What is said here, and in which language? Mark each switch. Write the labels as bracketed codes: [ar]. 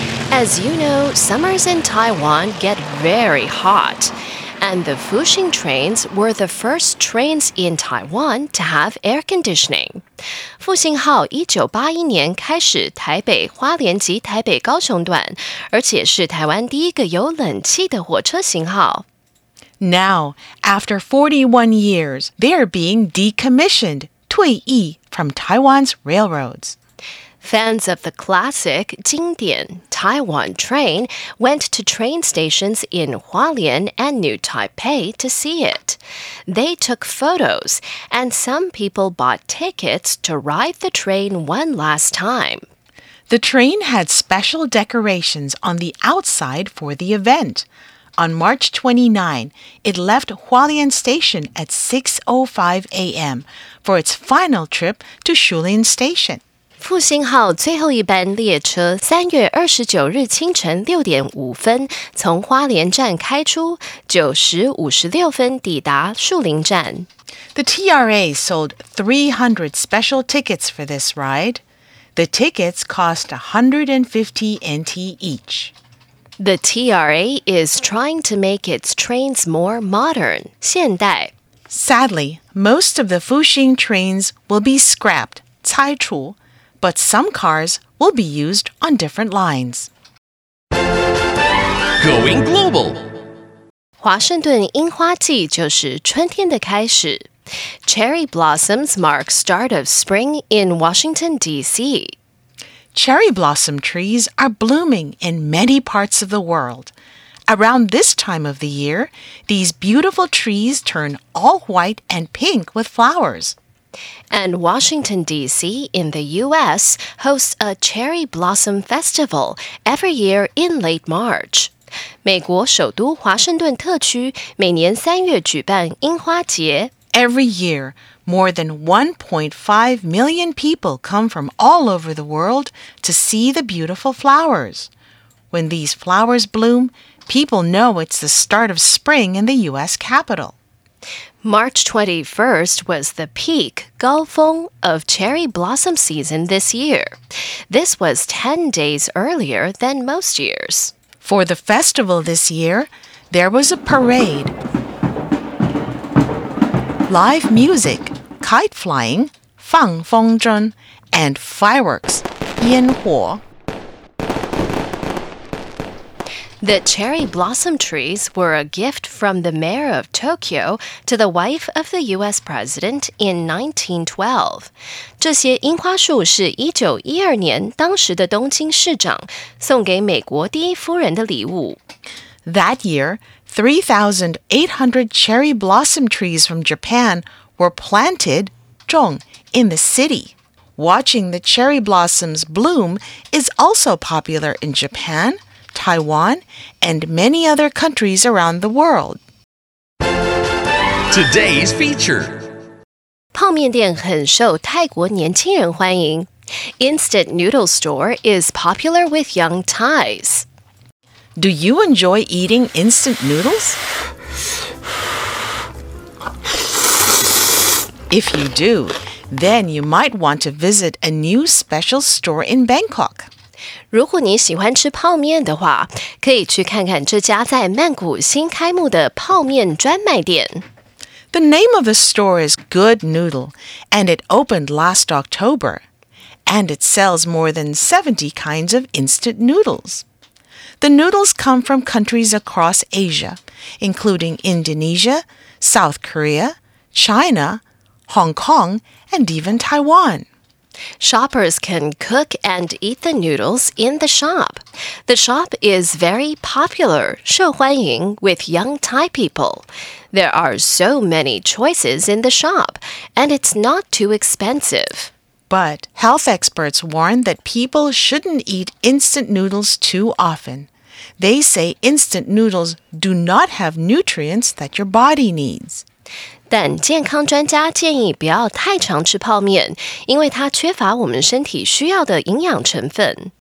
[en] As you know, summers in Taiwan get very hot, and the 复兴 trains were the first trains in Taiwan to have air conditioning. [zh] 复兴号1981年开始台北花莲及台北高雄段，而且是台湾第一个有冷气的火车型号。 [en] Now, after 41 years, they are being decommissioned, [zh] 退役 [en] from Taiwan's railroads. Fans of the classic, [zh] 经典, [en] Taiwan train went to train stations in Hualien and New Taipei to see it. They took photos, and some people bought tickets to ride the train one last time. The train had special decorations on the outside for the event. On March 29, it left Hualien Station at 6:05 a.m. for its final trip to Shulin Station. [zh] 复兴号最后一班列车3月29日清晨6点5分从花莲站开出9时56分抵达树林站。 [en] The TRA sold 300 special tickets for this ride. The tickets cost 150 NT each. The TRA is trying to make its trains more modern, [zh] 现代。 [en] Sadly, most of the 复兴 trains will be scrapped, [zh] 拆除。 [en] But some cars will be used on different lines. Going global. [zh] 华盛顿樱花季就是春天的开始。 [en] Cherry blossoms mark start of spring in Washington, D.C. Cherry blossom trees are blooming in many parts of the world. Around this time of the year, these beautiful trees turn all white and pink with flowers. And Washington, D.C. in the U.S. hosts a Cherry Blossom Festival every year in late March. [zh] 美国首都华盛顿特区每年三月举办樱花节。 [en] Every year, more than 1.5 million people come from all over the world to see the beautiful flowers. When these flowers bloom, people know it's the start of spring in the U.S. capital. March 21st was the peak, [zh] 高峰, [en] of cherry blossom season this year. This was 10 days earlier than most years. For the festival this year, there was a parade, live music, kite flying, [zh] 放风筝, [en] and fireworks, [zh] 烟火. [en] The cherry blossom trees were a gift from the mayor of Tokyo to the wife of the U.S. president in 1912. [zh] 这些樱花树是1912年当时的东京市长送给美国第一夫人的礼物。 [en] That year, 3,800 cherry blossom trees from Japan were planted, [zh] 种, [en] in the city. Watching the cherry blossoms bloom is also popular in Japan. Taiwan, and many other countries around the world. Today's feature. [zh] 泡面店很受泰国年轻人欢迎。 [en] Instant noodle store is popular with young Thais. Do you enjoy eating instant noodles? If you do, then you might want to visit a new special store in Bangkok. [zh] 如果你喜欢吃泡面的话，可以去看看这家在曼谷新开幕的泡面专卖店。 [en] The name of the store is Good Noodle, and it opened last October. And it sells more than 70 kinds of instant noodles. The noodles come from countries across Asia, including Indonesia, South Korea, China, Hong Kong, and even Taiwan. Shoppers can cook and eat the noodles in the shop. The shop is very popular, [zh] 受欢迎, [en] with young Thai people. There are so many choices in the shop, and it's not too expensive. But health experts warn that people shouldn't eat instant noodles too often. They say instant noodles do not have nutrients that your body needs. [zh] 但健康专家建议不要太常吃泡面，因为它缺乏我们身体需要的营养成分。